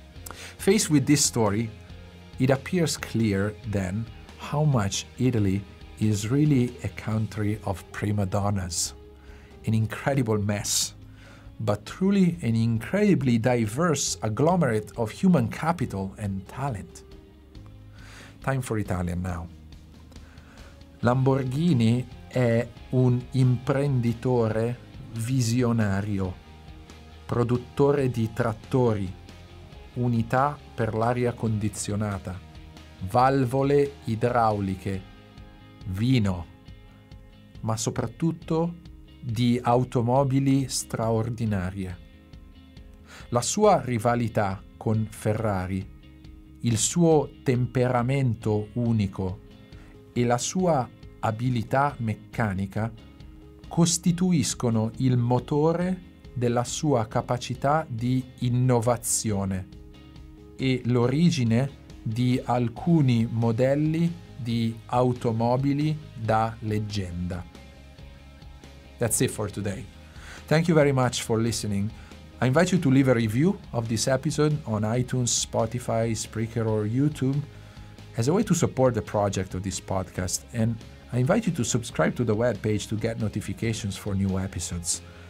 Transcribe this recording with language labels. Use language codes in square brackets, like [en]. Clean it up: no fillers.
[en] Faced with this story, it appears clear then how much Italy is really a country of prima donnas, an incredible mess, but truly an incredibly diverse agglomerate of human capital and talent. Time for Italian now. [it] Lamborghini è un imprenditore visionario, produttore di trattori, unità per l'aria condizionata, valvole idrauliche, vino, ma soprattutto di automobili straordinarie. La sua rivalità con Ferrari, il suo temperamento unico e la sua abilità meccanica costituiscono il motore della sua capacità di innovazione e l'origine di alcuni modelli di automobili da leggenda. [en] That's it for today. Thank you very much for listening. I invite you to leave a review of this episode on iTunes, Spotify, Spreaker, or YouTube as a way to support the project of this podcast. And I invite you to subscribe to the webpage to get notifications for new episodes.